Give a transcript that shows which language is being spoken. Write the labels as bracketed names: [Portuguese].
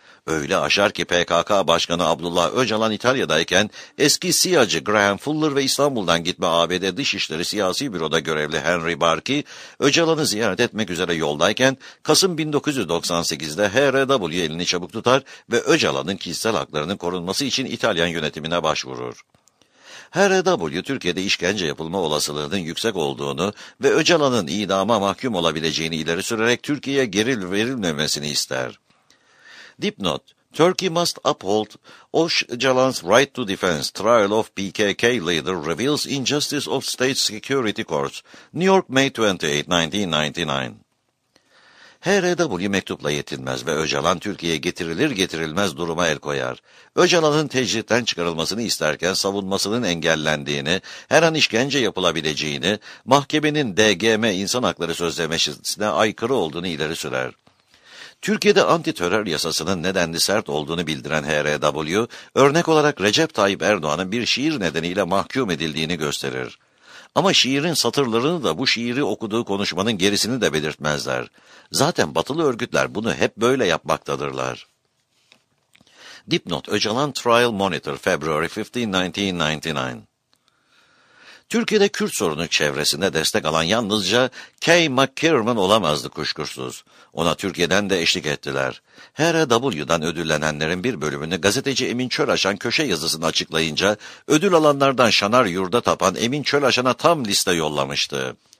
[Turkish] Öyle aşar ki PKK Başkanı Abdullah Öcalan İtalya'dayken eski CIA'cı Graham Fuller ve İstanbul'dan gitme ABD Dışişleri Siyasi Büro'da görevli Henry Barkey, Öcalan'ı ziyaret etmek üzere yoldayken Kasım 1998'de HRW elini çabuk tutar ve Öcalan'ın kişisel haklarının korunması için İtalyan yönetimine başvurur. HRW Türkiye'de işkence yapılma olasılığının yüksek olduğunu ve Öcalan'ın idama mahkum olabileceğini ileri sürerek Türkiye'ye geri verilmemesini ister. Dipnot, [English] Turkey must uphold Öcalan's right to defense, trial of PKK leader reveals injustice of state security courts, New York May 28, 1999. [Turkish] HRW mektupla yetinmez ve Öcalan Türkiye'ye getirilir getirilmez duruma el koyar. Öcalan'ın tecritten çıkarılmasını isterken savunmasının engellendiğini, her an işkence yapılabileceğini, mahkemenin DGM İnsan Hakları Sözleşmesi'ne aykırı olduğunu ileri sürer. Türkiye'de antiterör yasasının nedenli sert olduğunu bildiren HRW, örnek olarak Recep Tayyip Erdoğan'ın bir şiir nedeniyle mahkum edildiğini gösterir. Ama şiirin satırlarını da bu şiiri okuduğu konuşmanın gerisini de belirtmezler. Zaten batılı örgütler bunu hep böyle yapmaktadırlar. Dipnot, [English] Öcalan Trial Monitor, February 15, 1999. [Turkish] Türkiye'de Kürt sorunu çevresinde destek alan yalnızca Kay McKerman olamazdı kuşkusuz. Ona Türkiye'den de eşlik ettiler. HRW'dan ödüllenenlerin bir bölümünü gazeteci Emin Çölaşan köşe yazısını açıklayınca ödül alanlardan Şanar Yurda Tapan Emin Çölaşan'a tam liste yollamıştı.